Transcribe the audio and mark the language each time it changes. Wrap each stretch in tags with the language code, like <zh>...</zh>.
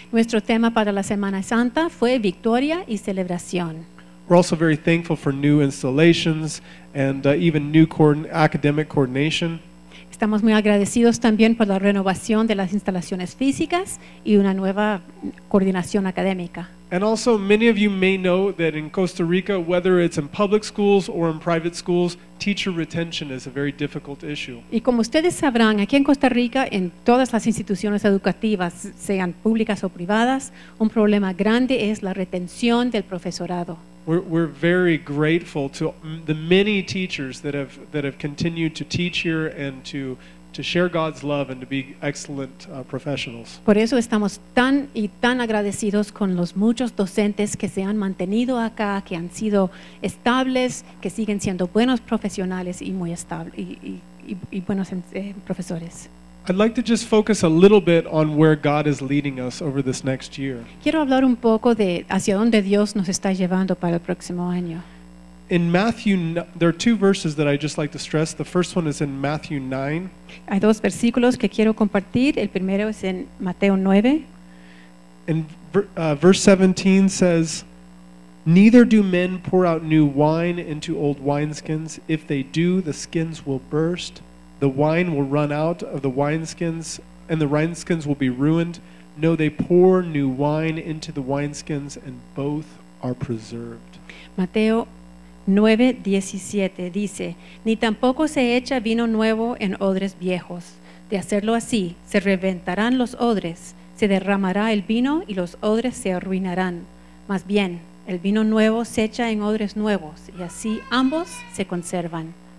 <es>Nuestro tema para la Semana Santa fue victoria y celebración.</es> <en>We're also very thankful for new installations and even new academic coordination.</en> <es>Estamos muy agradecidos también por la renovación de las instalaciones físicas y una nueva coordinación académica.</es> <en>And also, many of you may know that in Costa Rica, whether it's in public schools or in private schools, teacher retention is a very difficult issue.</en> <es>Y como ustedes sabrán, aquí en Costa Rica, en todas las instituciones educativas, sean públicas o privadas, un problema grande es la retención del profesorado.</es> <en>We're very grateful to the many teachers that have continued to teach here and to share God's love and to be excellent professionals.</en> <es>Por eso estamos tan y tan agradecidos con los muchos docentes que se han mantenido acá, que han sido estables, que siguen siendo buenos profesionales y muy estables y buenos profesores.</es> <en>I'd like to just focus a little bit on where God is leading us over this next year.</en> <es>Quiero hablar un poco de hacia dónde Dios nos está llevando para el próximo año.</es> <en>In Matthew, there are two verses that I'd just like to stress. The first one is in Matthew 9.</en> <es>Hay dos versículos que quiero compartir. El primero es en Mateo 9.</es> <en>And verse 17 says, "Neither do men pour out new wine into old wineskins. If they do, the skins will burst. The wine will run out of the wineskins, and the wineskins will be ruined. No, they pour new wine into the wineskins, and both are preserved."</en> <es>Mateo 9:17 dice, "Ni tampoco se echa vino nuevo en odres viejos. De hacerlo así, se reventarán los odres, se derramará el vino y los odres se arruinarán. Más bien, el vino nuevo se echa en odres nuevos, y así ambos se conservan."</es>